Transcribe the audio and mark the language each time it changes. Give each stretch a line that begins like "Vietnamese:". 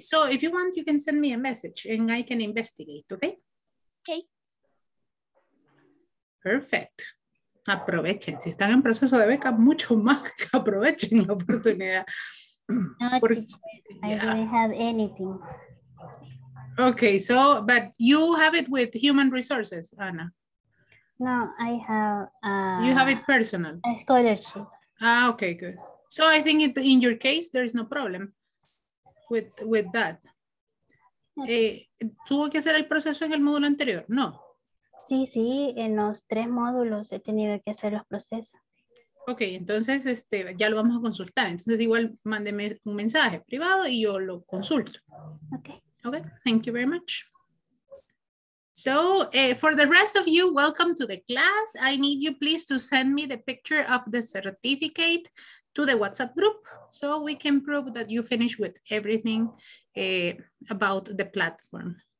English: So if you want, you can send me a message and I can investigate, okay? Okay. Perfect.
Spanish: Aprovechen. Si están en proceso de beca, mucho más que aprovechen la oportunidad.
English: I didn't have anything. Okay, so, but you have it with human resources, Anna. No, I have... you have it personal. A scholarship. Ah, okay, good. So I think it, in your case, there is no problem with that.
Spanish: ¿Tuvo que hacer el proceso en el módulo anterior? No. Sí, sí, en los tres módulos he tenido que hacer los procesos. Ok, entonces este, ya lo vamos a consultar. Entonces igual mándeme un mensaje privado y yo lo consulto. Ok.
English: Ok, thank you very much. So, for the rest of you, welcome to the class. I need you please to send me the picture of the certificate to the WhatsApp group so we can prove that you finish with everything about the platform.